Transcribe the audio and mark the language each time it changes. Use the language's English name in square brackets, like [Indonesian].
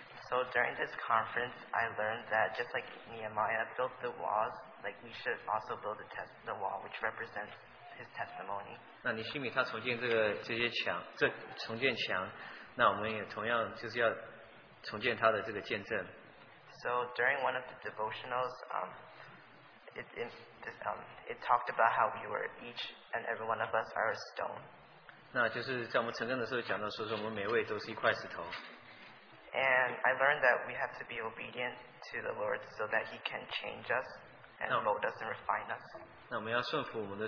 [English] So during this conference, I learned that just like Nehemiah built the walls, like we should also build the wall, which represents his testimony. [Chinese] 那尼希米他重建这个这些墙，这重建墙，那我们也同样就是要重建他的这个见证。 [English] So during one of the devotionals, it talked about how we were each and every one of us are a stone. [Chinese] 那就是在我们成圣的时候讲到说，我们每位都是一块石头。 [English] And I learned that we have to be obedient to the Lord so that He can change us and mold us and refine us.